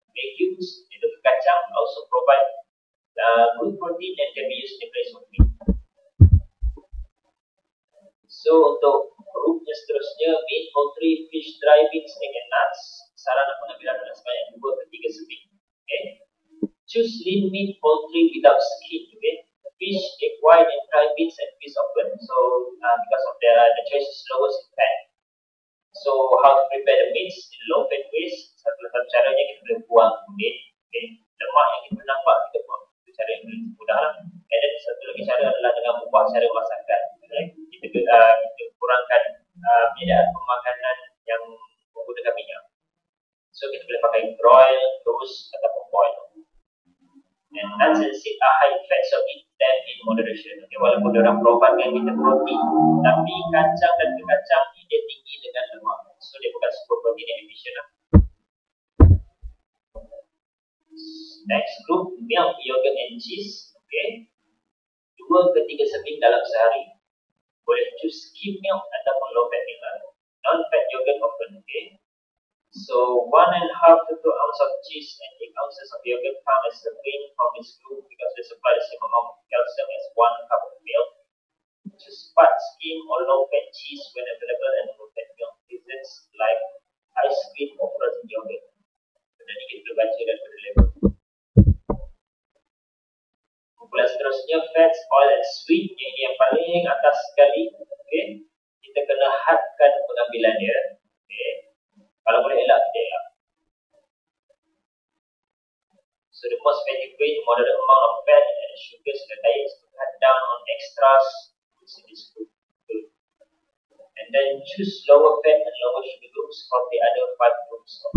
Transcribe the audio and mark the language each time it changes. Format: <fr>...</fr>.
<en>Legumes,</en> <ms>itu kacang,</ms> <en>also provide good protein and can be used in place of meat.</en> <ms>So, untuk grupnya seterusnya,</ms> <en>meat, poultry, fish, dry beans, egg and nuts,</en> <ms>saran aku ambil adalah sebanyak 2 ke 3 sepik.</ms> <en>Okay. Choose lean meat, poultry without skin, okay. Fish, egg white, and dry beans and peas often. So, because of the choice is lowest in fat. So, how to prepare the meats in low fat ways?</en> <ms>Satu caranya kita boleh buang kulit.</ms> <en>Okay.</en> <ms>Lemak yang kita nampak, kita buang. Itu cara yang paling mudah lah.</ms> <en>And then,</en> <ms>satu lagi cara adalah dengan mengubah cara masakan. Right? Kita kurangkan minyak pemakanan yang menggunakan minyak. So, kita boleh pakai broil, roast, ataupun boil.</ms> <en>And nuts and seeds are high fat, so eat them in moderation.</en> <ms>Okay, walaupun dia orang provide dengan kita protein, tapi kacang dan kacang ni dia tinggi dengan lemak.</ms> <en>So</en> <ms>dia bukan super protein yang efficient lah.</ms> <en>Next group, milk, yogurt and cheese. Okay.</en> <ms>2 ke 3 serving dalam sehari. Boleh</ms> <en>choose skim milk</en> <ms>ataupun</ms> <en>low fat milk. Non fat yogurt often. Okay. So, 1.5 to 2 ounces of cheese and 8 ounces of yogurt come as a grain from this group because they supply the same amount of calcium as 1 cup of milk. Choose fat skim or low fat cheese when available and low fat milk desserts like ice cream or frozen yogurt.</en> <ms>Jadi kita boleh baca dan boleh label. Kumpulan seterusnya,</ms> <en>fats, oil and sweet.</en> <ms>Yang ini yang paling atas sekali. Okay. Kita kena hadkan untuk pengambilan dia. Okey. Kalau boleh elak, kita elak.</ms> <en>So the most adequate moderate amount of fat and sugar serta air to cut down on extras is in this group. And then choose lower fat and lower sugar groups from the other 5 groups.</en>